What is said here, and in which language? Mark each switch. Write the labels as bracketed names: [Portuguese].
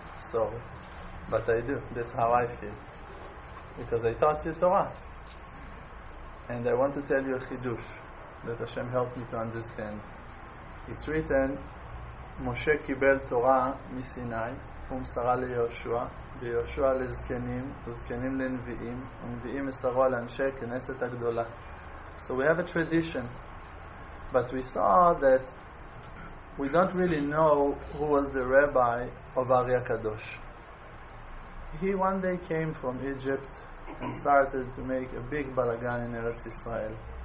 [English] So, but I do. That's how I feel. Because I taught you Torah. And I want to tell you a chidush that Hashem helped me to understand. It's written, [Hebrew] Moshe kibel Torah mi Sinai, ומסרה מסרה ליהושע, ויהושע לזקנים, וזקנים לנביאים, ונביאים מסרו על אנשי כנסת הגדולה. [English] So we have a tradition, but we saw that we don't really know who was the rabbi of Arya Kadosh. He one day came from Egypt and started to make a big balagan in Eretz Israel.